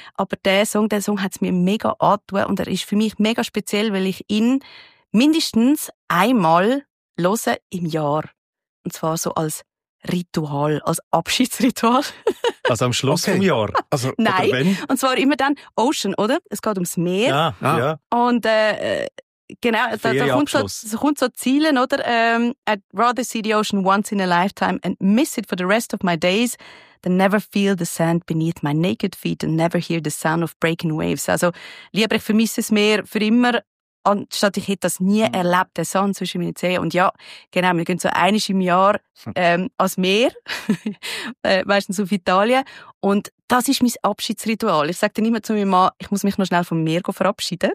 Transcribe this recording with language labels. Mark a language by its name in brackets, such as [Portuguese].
[German] Aber der Song hat es mir mega angetan und er ist für mich mega speziell, weil ich ihn mindestens einmal höre im Jahr. Und zwar so als Ritual, als Abschiedsritual. Also am Schluss vom Jahr? Also, nein, oder wenn? Und zwar immer dann Ocean, oder? Es geht ums Meer. Ja. Und genau, da kommt so Zielen, oder? [English] I'd rather see the ocean once in a lifetime and miss it for the rest of my days than never feel the sand beneath my naked feet and never hear the sound of breaking waves. [German] Also lieber, ich vermisse das Meer für immer, anstatt ich hätte das nie erlebt, der Sand zwischen meinen Zehen. Und ja, genau, wir gehen so einmal im Jahr ans Meer, meistens auf Italien. Und das ist mein Abschiedsritual. Ich sage dann immer zu meinem Mann, ich muss mich noch schnell vom Meer verabschieden.